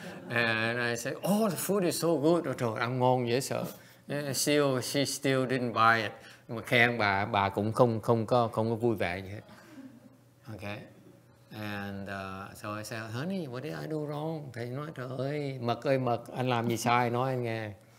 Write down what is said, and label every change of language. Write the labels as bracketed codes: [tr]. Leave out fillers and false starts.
[en] And I say, oh, the food is so good. [vi] Oh, trời, ăn ngon dễ sợ. [en] She still didn't buy it. [vi] Mà khen bà cũng không có vui vẻ gì hết. Okay. [en] And so I said, honey, what did I do wrong? [vi] Thầy nói, trời ơi, mật ơi mật, anh làm gì sai, nói anh nghe.